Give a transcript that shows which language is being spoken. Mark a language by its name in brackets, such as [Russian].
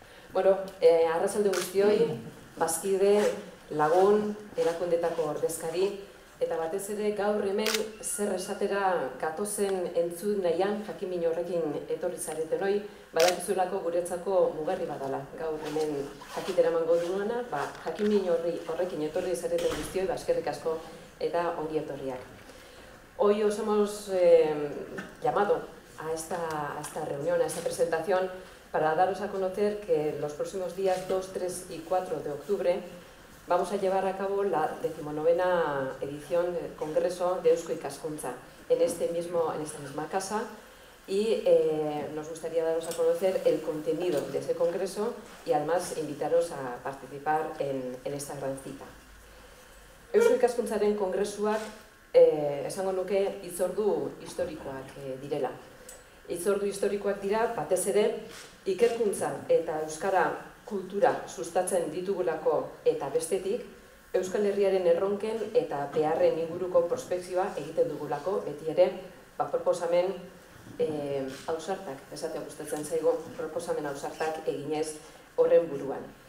[Basque] Bueno, arratsalde guztioi, bazkide, lagun, erakundetako ordezkari, eta batez ere gaur hemen zer esatera gatozen entzun nahian jakimin horrekin etorri zaretenoi, badakizulako guretzako mugarri badala. Gaur hemen jakitera mango duena, ba, jakimin horrekin etorri zareten guztioi, eskerrik asko eta ongi etorriak. [Spanish] Hoy os hemos llamado a esta reunión, a esta presentación, para daros a conocer que los próximos días 2, 3 y 4 de octubre vamos a llevar a cabo la 19ª edición del Congreso de Eusko Ikaskuntza en esta misma casa y nos gustaría daros a conocer el contenido de ese congreso y además invitaros a participar en esta gran cita. [Basque] Eusko Ikaskuntzaren kongresuak esango nuke hitzordu historikoak direla. Hitzordu historikoak dira, batez ere, ikerkuntza eta euskara kultura sustatzen ditugulako eta bestetik, Euskal Herriaren erronken eta beharren inguruko prospektiba egiten dugulako, beti ere, ba, proposamen ausartak, esatea gustatzen zaigu, proposamen ausartak eginez horren buruan.